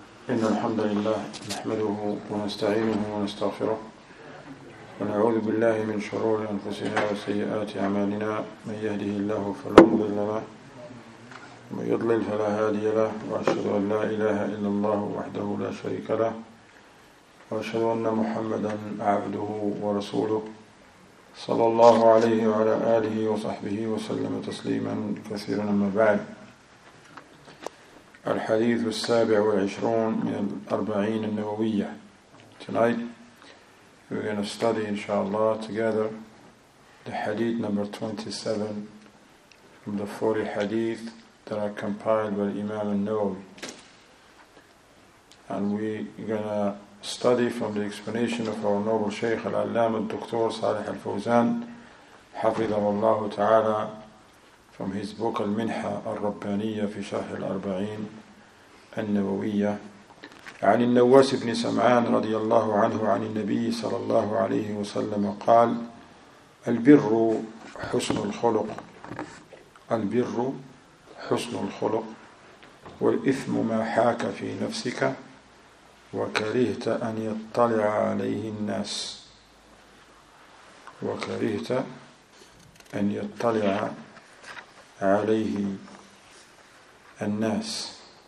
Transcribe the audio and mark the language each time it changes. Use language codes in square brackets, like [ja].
[ar] إن الحمد لله نحمده ونستعينه ونستغفره ونعوذ بالله من شرور أنفسنا وسيئات أعمالنا، من يهده الله فلا مضل له ومن يضلل فلا هادي له، وأشهد أن لا إله إلا الله وحده لا شريك له، وأشهد أن محمدا عبده ورسوله صلى الله عليه وعلى آله وصحبه وسلم تسليما كثيرا. أما بعد، الحديث 27 من الأربعين النووية. [en] Tonight we're going to study inshallah together the hadith number 27 from the 40 hadith that are compiled by Imam al-Nawawi. And we're going to study from the explanation of our noble Shaykh al-Allama al-Doktor Salih al-Fawzan [ar] حفظه الله تعالى [en] from his book المنحة الربانية في شرح الأربعين النووية. [ar] عن النواس بن سمعان رضي الله عنه عن النبي صلى الله عليه وسلم قال: البر حسن الخلق، البر حسن الخلق، والإثم ما حاك في نفسك وكرهت أن يطلع عليه الناس، وكرهت أن يطلع عليه الناس.